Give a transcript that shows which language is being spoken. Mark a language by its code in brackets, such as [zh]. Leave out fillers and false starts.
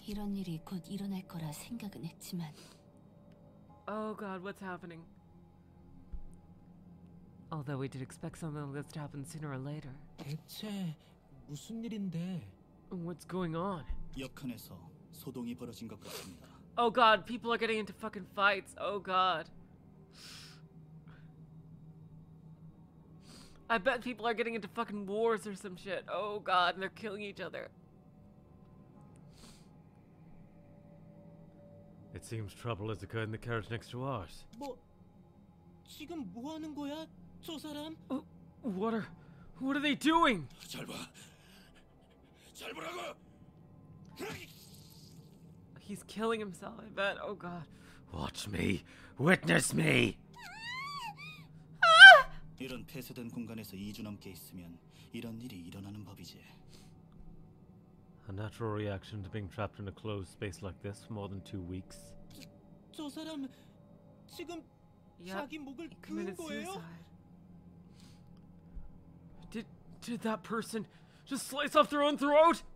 [ko] 이런 일이 곧 일어날 거라 생각은 했지만. [en] Oh God, what's happening? Although we did expect something like this to happen sooner or later. [ko] 대체 무슨 일인데? [en] What's going on? [ko] 역한에서 소동이 벌어진 것 같습니다. [en] Oh god, people are getting into fucking fights. Oh god. I bet people are getting into fucking wars or some shit. Oh god, and they're killing each other. It seems trouble has occurred in the carriage next to ours. [ko] 뭐 지금 뭐 하는 거야? [en] What are they doing? [ko] 잘 봐. 잘 보라고. [en] He's killing himself, I bet. Oh god. Watch me. Witness me. [ko] 이런 폐쇄된 공간에서 2주 넘게 있으면 이런 일이 일어나는 법이지. [en] A natural reaction to being trapped in a closed space like this for more than 2 weeks. [ko] 저 사람 지금 자기 목을 끊은 거예요? [en] Did that person just slice off their own throat?